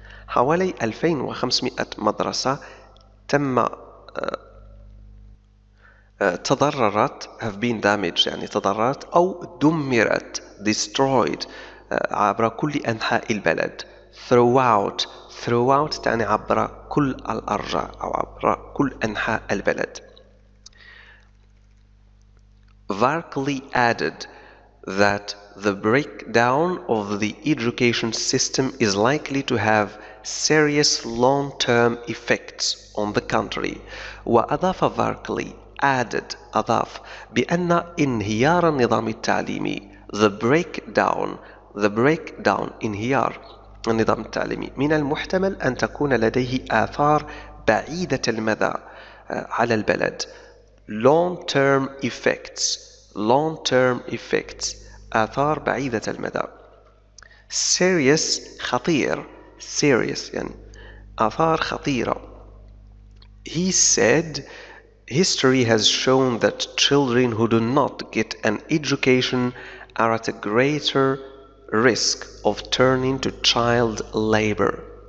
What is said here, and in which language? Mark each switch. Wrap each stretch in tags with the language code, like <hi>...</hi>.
<ar>حوالي 2500 مدرسة تم تضررت</ar> <en>have been damaged</en> <ar>يعني تضررت أو دمرت destroyed عبر كل أنحاء البلد throughout تعني عبر كل الأرجاء أو عبر كل أنحاء البلد.</ar> <en>Barclay added that the breakdown of the education system is likely to have serious long-term effects on the country.</en> <ar>وأضاف فاركلي added أضاف بأن انهيار النظام التعليمي</ar> <en>the breakdown</en> <ar>انهيار النظام التعليمي من المحتمل أن تكون لديه آثار بعيدة المدى على البلد</ar> <en>long-term effects</en> <ar>آثار بعيدة المدى serious خطير serious يعني آثار خطيرة.</ar> <en>He said history has shown that children who do not get an education are at a greater risk of turning to child labor.</en>